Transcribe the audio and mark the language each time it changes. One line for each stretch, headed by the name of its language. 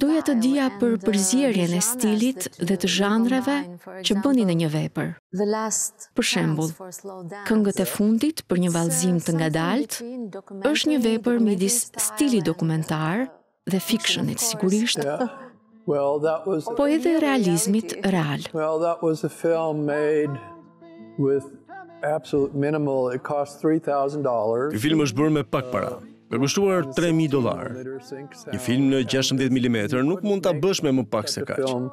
Albanian: Doja të dija për përzierjen e stilit dhe të zhanrave që bëni në një vepër. Për shembull, këngët e fundit për një vallëzim të ngadalt është një vepër midis stilit dokumentar dhe fictionit sigurisht.
English: Well, that was
Albanian: po edhe realizmit real.
English: Well, that was a film made with absolute minimal. It cost $3,000.
Albanian: Ky film është bërë me pak para. Më kushtuar $3,000. Një film në 16 mm nuk mund ta bësh me më pak se kaq.